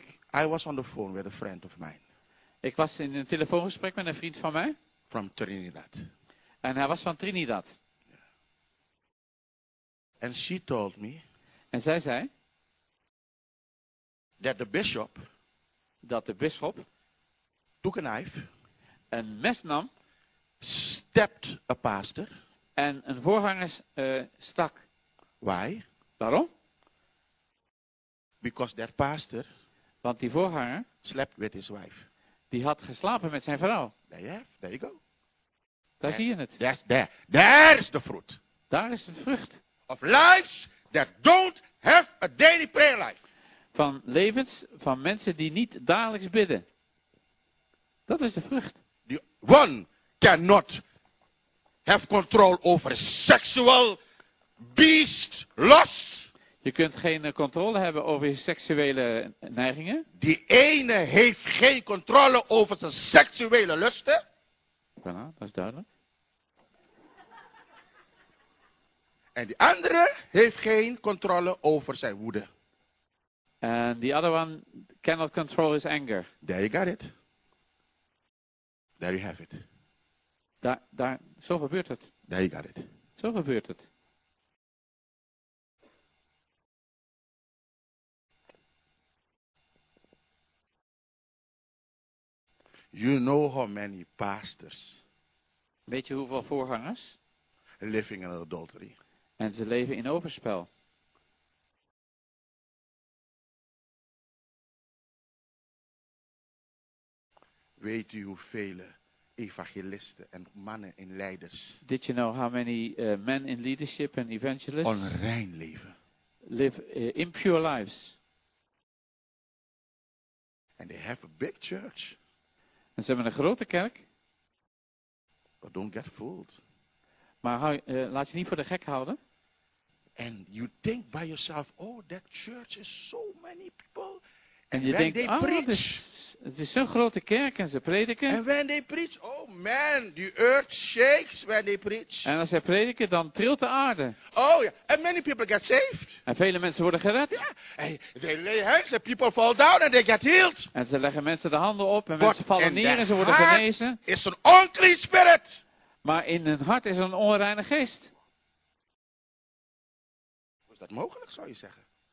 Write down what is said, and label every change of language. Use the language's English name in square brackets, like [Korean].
[English] I was on the phone with a friend of mine. [Dutch] Ik was in een telefoongesprek met een vriend van mij. [English] From Trinidad. [Dutch] En hij was van Trinidad. [English] Yeah. And she told me. [Dutch] En zij zei. [English] That the bishop. [Dutch] Dat de bisschop. [English] Took a knife. [Dutch] Een mes nam. [English] Stabbed a pastor. [Dutch] En een voorganger stak. [English] Why? [Dutch] Waarom? [English] Because that pastor. [Dutch] Want die voorganger. [English] Slept with his wife. [Dutch] Die had geslapen met zijn vrouw. [English] There you go. [Dutch] Daar zie je het. [English] There's the fruit. [Dutch] Daar is de vrucht. [English] Of lives that don't have a daily prayer life. [Dutch] Van levens van mensen die niet dagelijks bidden. Dat is de vrucht. [English] The one cannot have control over sexual beast lust. [Dutch] Je kunt geen controle hebben over je seksuele neigingen. Die ene heeft geen controle over zijn seksuele lusten. Voilà, dat is duidelijk. En die andere heeft geen controle over zijn woede. [English] And the other one cannot control his anger. There you got it. There you have it. [Dutch] Daar, zo gebeurt het. [English] There you got it. [Dutch] Zo gebeurt het. [English] You know how many pastors. [Dutch] Weet je hoeveel voorgangers? [English] Living in adultery. [Dutch] En ze leven in overspel. Weet u hoeveel evangelisten en mannen in leiders. [English] Did you know how many men in leadership and evangelists. [Dutch] Onrein leven. [English] Live impure lives. And they have a big church. [Dutch] En ze hebben een grote kerk. [English] But don't get fooled. [Dutch] Maar laat je niet voor de gek houden. [English] And you think by yourself, oh, that church is so many people. [Dutch] En je denkt, het is zo'n grote kerk en ze prediken. [English] And when they preach, oh man, the earth shakes when they preach. [Dutch] En als zij prediken, dan trilt de aarde. [English] Oh ja, yeah. And many people get saved. [Dutch] En vele mensen worden gered. Ja, yeah. [English] They lay hands and people fall down and they get healed. [Dutch] En ze leggen mensen de handen op en mensen vallen neer en ze worden genezen. [English] Is an unclean spirit. [Dutch] Maar in hun hart is een onreine geest. Hoe is dat mogelijk, zou je zeggen?